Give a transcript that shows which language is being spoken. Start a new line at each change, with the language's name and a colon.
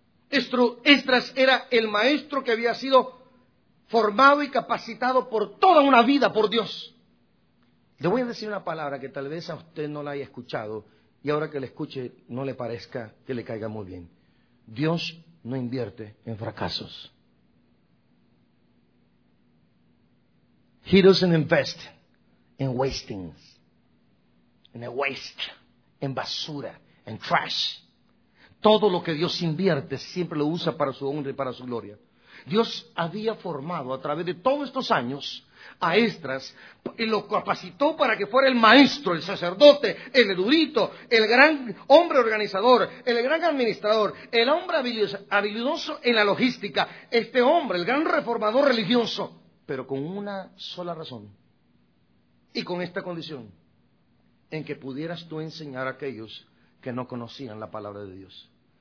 Spanish: Esdras era el maestro que había sido formado y capacitado por toda una vida por Dios. Le voy a decir una palabra que tal vez a usted no la haya escuchado y ahora que la escuche no le parezca que le caiga muy bien. Dios no invierte en fracasos.
English: He doesn't invest in wastings, in a waste,
Spanish: en basura, en
English: trash.
Spanish: Todo lo que Dios invierte siempre lo usa para su honra y para su gloria. Dios había formado a través de todos estos años a Esdras y lo capacitó para que fuera el maestro, el sacerdote, el erudito, el gran hombre organizador, el gran administrador, el hombre habilidoso en la logística, este hombre, el gran reformador religioso, pero con una sola razón y con esta condición, en que pudieras tú enseñar a aquellos que no conocían la palabra de Dios.